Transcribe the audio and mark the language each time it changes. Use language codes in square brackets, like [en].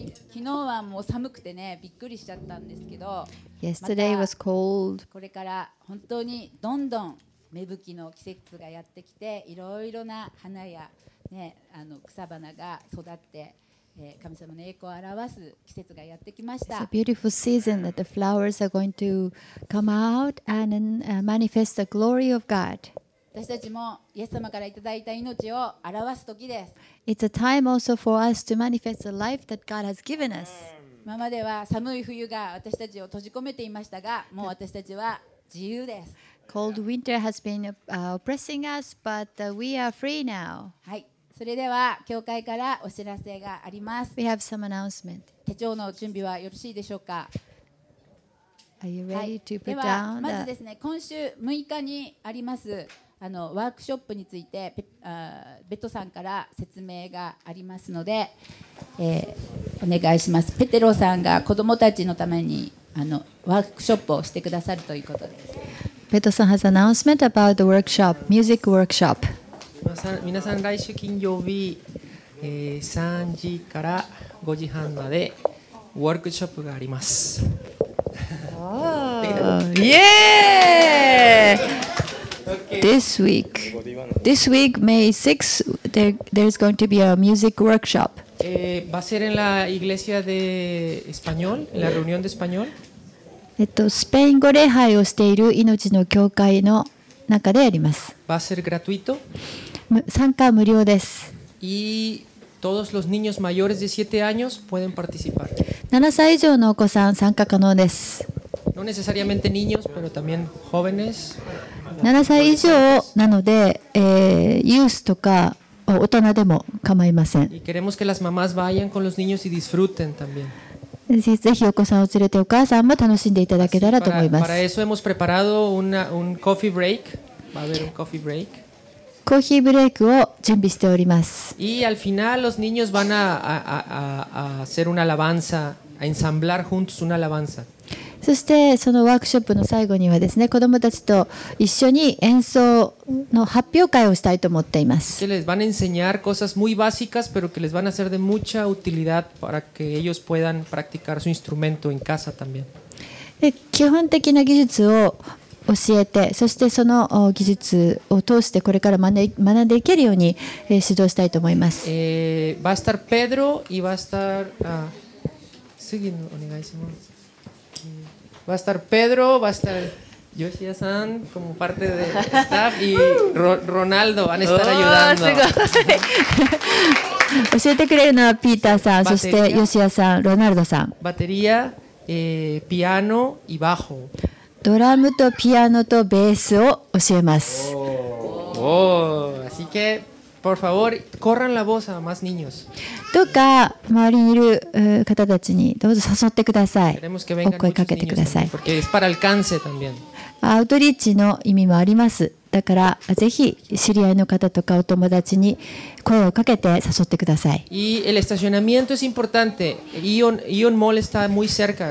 [ja] 昨日はもう寒くてねびっくりしちゃったんですけど、 [en] Yesterday was cold. [ja] これから本当にどんどん芽吹きの季節がやってきて、いろいろな花や、ね、あの草花が育って神様の栄光を表す季節がやってきました。 [en] It's a beautiful season that the flowers are going to come out and manifest the glory of God. [ja] 私たちもイエス様からいただいた命を表す時です。 [en] It's a time also for us to manifest the life that God has given us. [ja] 今までは寒い冬が私たちを閉じ込めていましたが、もう私たちは自由です。 [en] Cold winter has been oppressing us, but we are free now. [ja] はい。それでは教会からお知らせがあります。 [en] We have some announcement. [ja] 手帳の準備はよろしいでしょうか？ [en] Are you ready to put down the... [ja] ではまずですね、今週6日にありますあのワークショップについてベトさんから説明がありますので、お願いします。ペテロさんが子どもたちのためにあのワークショップをしてくださるということです。 [en] ベトさん has announcement about the workshop, music workshop. [ja] 皆さん来週金曜日、3時から5時半までワークショップがあります。イエーイ。 [en] This week May 6th there's going to be a music workshop. [es] Va a ser en la iglesia de español, en la reunión de español. [ja] スペイン語礼拝をしている命の教会の中であります。 [es] Va a ser gratuito. [ja] 参加無料です。 [es] Y todos los niños mayores de 7 años pueden participar. [ja] 7歳以上のお子さん参加可能です。 [es] No necesariamente niños, pero también jóvenes. [ja] 7歳以上なので、ユースとか大人でも構いません。 [es] Y queremos que las mamás vayan con los niños y disfruten también. [ja] ぜひお子さんを連れてお母さんも楽しんでいただけたらと思います。 [es] Para eso hemos preparado un coffee break. Va a haber un coffee break. [ja] コーヒーブレイクを準備しております。 [es] Y al final los niños van a hacer una alabanza, a ensamblar juntos una alabanza. [ja] そしてそのワークショップの最後にはですね、子どもたちと一緒に演奏の発表会をしたいと思っています。 [es] Que les van a enseñar cosas muy básicas, pero que les van a ser de mucha utilidad para que ellos puedan practicar su instrumento en casa también. [ja] 基本的な技術を教えて、そしてその技術を通してこれから学んでいけるように指導したいと思います。 [es] Va a estar Pedro y va a estar Sugi, [ja] お願いします。 [es] Va a estar Pedro, va a estar Yoshida-san como parte de staff y Ronaldo van a estar ayudando. [ja] 教えてくれるのはピーターさん、そして Yoshida-san、Ronaldo さん。 [es] Batería, piano y bajo. [ja] ドラムとピアノとベースを教えます。 [es] Así que, por favor, corran la voz a más niños. [ja] どうか周りにいる方たちにどうぞ誘ってください。お声かけてください。 [es] Porque es para alcance también. [ja] アウトリーチの意味もあります。だからぜひ知り合いの方とかお友達に声をかけて誘ってください。 [es] Y el estacionamiento es importante. Ion Mall está muy cerca.